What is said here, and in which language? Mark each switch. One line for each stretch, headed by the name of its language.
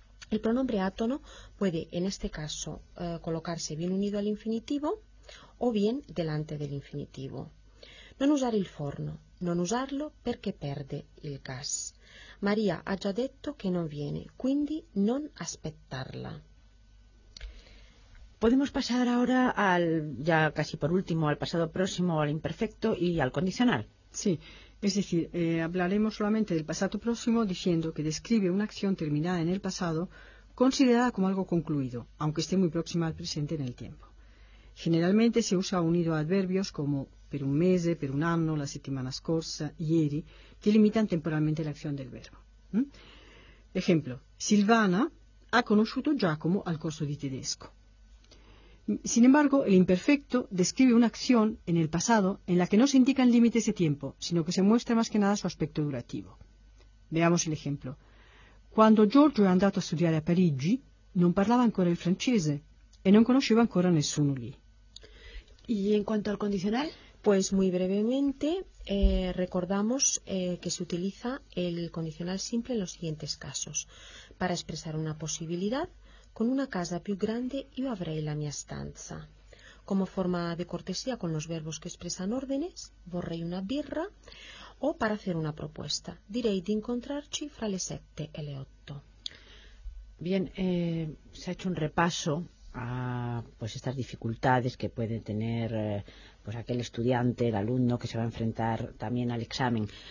Spanish: El pronombre átono puede, en este caso, colocarse bien unido al infinitivo o bien delante del infinitivo.
Italian: Non usare il forno. Non usarlo perché perde il gas. Maria ha già detto che non viene, quindi non aspettarla.
Spanish: Podemos pasar ahora al pasado próximo, al imperfecto y al condicional. Sí, es decir, hablaremos solamente del pasado próximo diciendo que describe una acción terminada en el pasado considerada como algo concluido, aunque esté muy próxima al presente en el tiempo. Generalmente se usa unido a adverbios como
Italian: per un mese, per un anno, la settimana scorsa, ieri,
Spanish: que limitan temporalmente la acción del verbo. Ejemplo, Silvana ha conocido Giacomo al curso de tedesco. Sin embargo, el imperfecto describe una acción en el pasado en la que no se indican límites de tiempo, sino que se muestra más que nada su aspecto durativo. Veamos el ejemplo.
Italian: Cuando Giorgio è andato a studiare a Parigi, non parlava ancora il francese e non conosceva ancora nessuno lì.
Spanish: ¿Y en cuanto al condicional? Pues muy brevemente recordamos que se utiliza el condicional simple en los siguientes casos. Para expresar una posibilidad,
Italian: con una casa più grande io avrei la mia stanza.
Spanish: Como forma de cortesía con los verbos que expresan órdenes,
Italian: vorrei una birra.
Spanish: O para hacer una propuesta,
Italian: direi di incontrarci fra le 7 e le 8.
Spanish: Bien, se ha hecho un repaso a pues estas dificultades que puede tener pues aquel estudiante, el alumno que se va a enfrentar también al examen.